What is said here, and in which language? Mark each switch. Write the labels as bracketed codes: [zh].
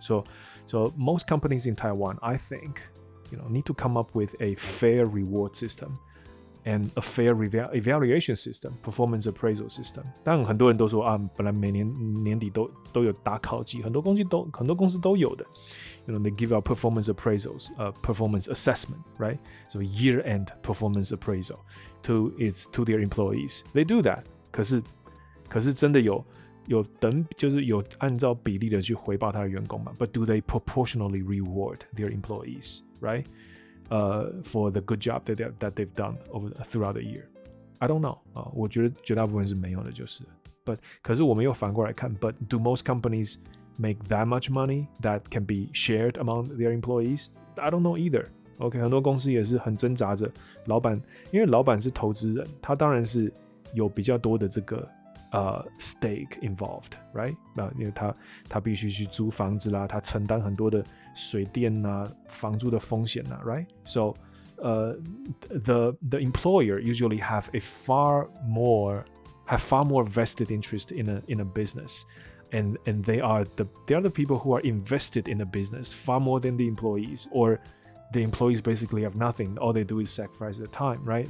[en] So most companies in Taiwan, I think, you know, need to come up with a fair reward system and a fair evaluation system, performance appraisal system. [zh] 但很多人都说啊，本来每年年底都有打考绩，很多公司都有的。 [en] You know, they give out performance appraisals, performance assessment, right? So year-end performance appraisal. To their employees, they do that. [zh] 可是真的有等，就是有按照比例的去回报他的员工嘛。 [en] But do they proportionally reward their employees, right? For the good job that they've done over throughout the year, I don't know. [zh] 我觉得绝大部分是没有的，就是。 But 可是我们又反过来看。 [en] But do most companies make that much money that can be shared among their employees? I don't know either. OK， [zh] 很多公司也是很挣扎着，老板，因为老板是投资人，他当然是有比较多的这个 [en] stake involved， [zh] right？那因为他必须去租房子啦，他承担很多的水电啊、房租的风险啊， right？ [en] So， the employer usually have far more vested interest in a business， and they are the people who are invested in the business far more than the employees or。 The employees basically have nothing. All they do is sacrifice their time, right?